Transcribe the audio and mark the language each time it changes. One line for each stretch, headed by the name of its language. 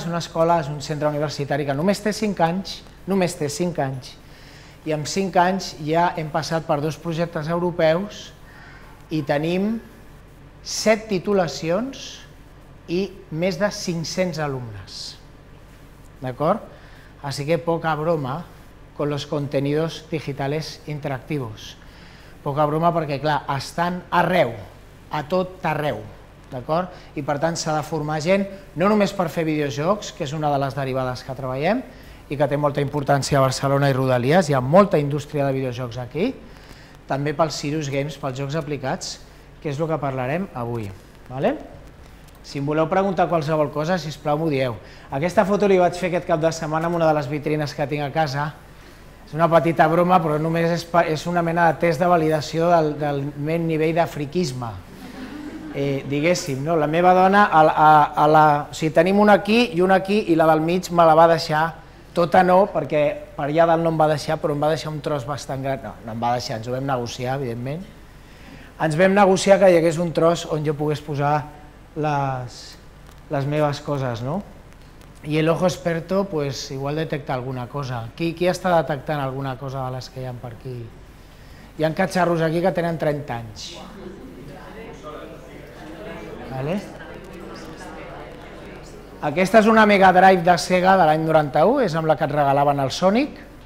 Catalan: És una escola, és un centre universitari que només té 5 anys, només té 5 anys, i en 5 anys ja hem passat per 2 projectes europeus i tenim 7 titulacions i més de 500 alumnes, d'acord?
Spanish: Así que poca broma con los contenidos digitales interactivos.
Catalan: Poca broma perquè, clar, estan arreu, a tot arreu, d'acord? I per tant s'ha de formar gent, no només per fer videojocs, que és una de les derivades que treballem i que té molta importància a Barcelona i Rodalies, hi ha molta indústria de videojocs aquí, també pels Serious Games, pels jocs aplicats, que és el que parlarem avui. ¿Vale? Si em voleu preguntar qualsevol cosa, sisplau, m'ho dieu. Aquesta foto li vaig fer aquest cap de setmana amb una de les vitrines que tinc a casa. És una petita broma, però només és una mena de test de validació del meu nivell de friquisme. Diguéssim, no? La meva dona, tenim una aquí i una aquí, i la del mig me la va deixar tota no, perquè per allà dalt no em va deixar, però em va deixar un tros bastant gran. No em va deixar, ens ho vam negociar, evidentment. Ens vam negociar que hi hagués un tros on jo pogués posar les meves coses, no?
Spanish: I l'ojo experto, pues, igual detecta alguna cosa.
Catalan: Qui està detectant alguna cosa de les que hi ha per aquí? Hi ha catxarros aquí que tenen 30 anys. Vale? Aquesta és una Mega Drive de Sega de l'any 91, és amb la que et regalaven el Sonic.